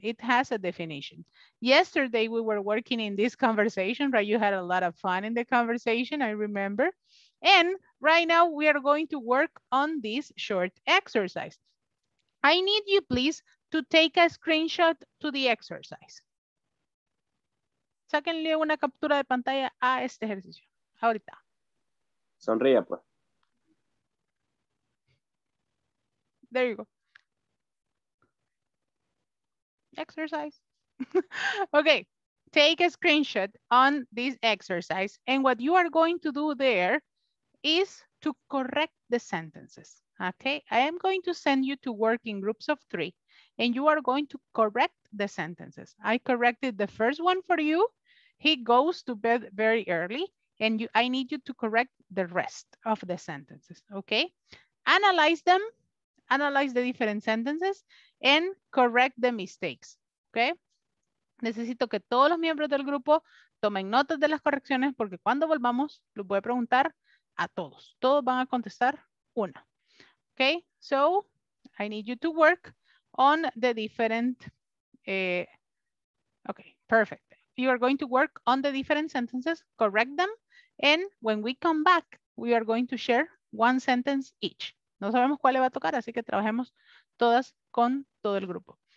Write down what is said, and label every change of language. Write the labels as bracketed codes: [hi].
[en] It has a definition. Yesterday, we were working in this conversation, right? You had a lot of fun in the conversation, I remember. And right now, we are going to work on this short exercise. I need you, please, to take a screenshot to the exercise. [es] Sáquenle una captura de pantalla a este ejercicio. Ahorita. Sonríe, pues. [en] There you go. Exercise. Okay, take a screenshot on this exercise. And what you are going to do there is to correct the sentences. Okay, I am going to send you to work in groups of three, and you are going to correct the sentences. I corrected the first one for you. He goes to bed very early, and you, I need you to correct the rest of the sentences, okay? Analyze them, analyze the different sentences, and correct the mistakes, okay? [es] Necesito que todos los miembros del grupo tomen notas de las correcciones, porque cuando volvamos, los voy a preguntar a todos. Todos van a contestar una. [en] Okay, so I need you to work on the different, okay, perfect. You are going to work on the different sentences, correct them, and when we come back, we are going to share one sentence each. [es] No sabemos cuál le va a tocar, así que trabajemos todas con todo el grupo.